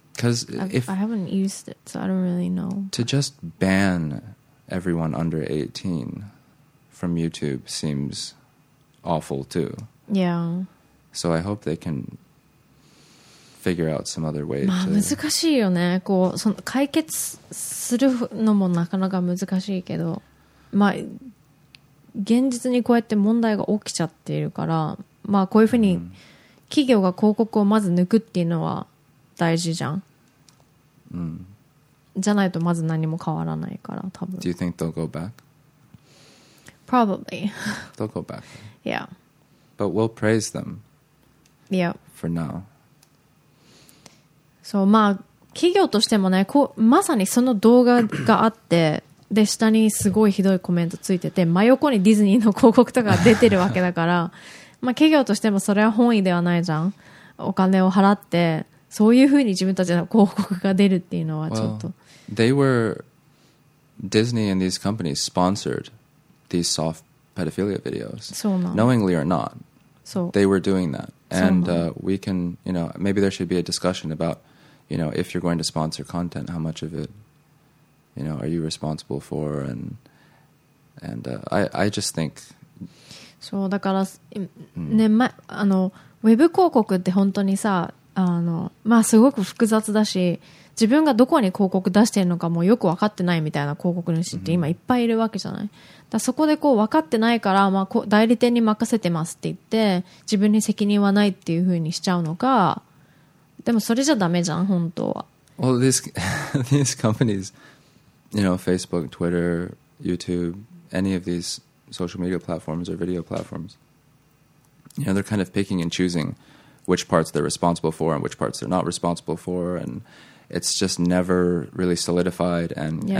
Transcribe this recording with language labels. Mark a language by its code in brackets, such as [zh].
[en] Because if I haven't used it, so I don't really know. To just ban everyone under 18 from YouTube seems awful too. Yeah. So I hope they can figure out some other way. [ja] まあ難しいよね。こうその解決するのもなかなか難しいけど、まあ現実にこうやって問題が起きちゃっているから、まあこういうふうに企業が広告をまず抜くっていうのは大事じゃん。うん。じゃないとまず何も変わらないから、多分。 [en] Do you think they'll go back? Probably. They'll go back. Yeah. But we'll praise them. Yeah. For now. [ja] そう、まあ企業としてもね、こうまさにその動画があって、で下にすごいひどいコメントついてて、真横にディズニーの広告とか出てるわけだからまあ企業としてもそれは本意ではないじゃん。お金を払ってそういうふうに自分たちの広告が出るっていうのはちょっと、 [en] well, they were Disney and these companies sponsored these soft pedophilia videos. [ja] そうなん。 [en] knowingly or not, [ja] そう [en] they were doing thatAnd we can, you know, maybe there should be a discussion about, you know, if you're going to sponsor content, how much of it, you know, are you responsible for? And I just think. [ja] そうだから、うん、ね、ま、あのウェブ広告って本当にさ、あのまあすごく複雑だし、自分がどこに広告出してるのかもよく分かってないみたいな広告主って今いっぱいいるわけじゃない。だそこでこう分かってないから、まあ、代理店に任せてますって言って自分に責任はないっていうふうにしちゃうのか、でもそれじゃダメじゃん本当は。 [en] Well, these companies, you know, Facebook, Twitter, YouTube, any of these social media platforms or video platforms, you know, they're kind of picking and choosing which parts they're responsible for and which parts they're not responsible for, andIt's just never really solidified, and,、yeah.